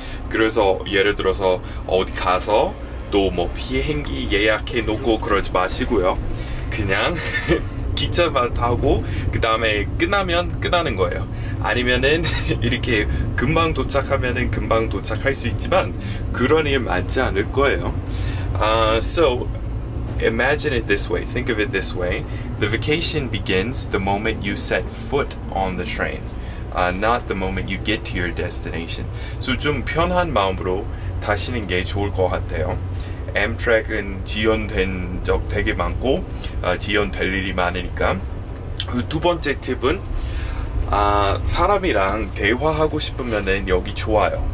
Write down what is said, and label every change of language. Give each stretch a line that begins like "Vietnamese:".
Korean: 그래서 예를 들어서 어디 가서 또 뭐 비행기 예약해 놓고 그러지 마시고요. 그냥 기차만 타고 그 다음에 끝나면 끝나는 거예요. 아니면은 이렇게 금방 도착하면은 금방 도착할 수 있지만 그런 일 많지 않을 거예요.
English: So imagine it this way. Think of it this way. The vacation begins the moment you set foot on the train. Not the moment you get to your destination.
Korean: So 좀 편한 마음으로 타시는 게 좋을 것 같아요. Amtrak은 지연된 적 되게 많고 지연될 일이 많으니까. 그 두 번째 팁은 사람이랑 대화하고 싶으면은 여기 좋아요.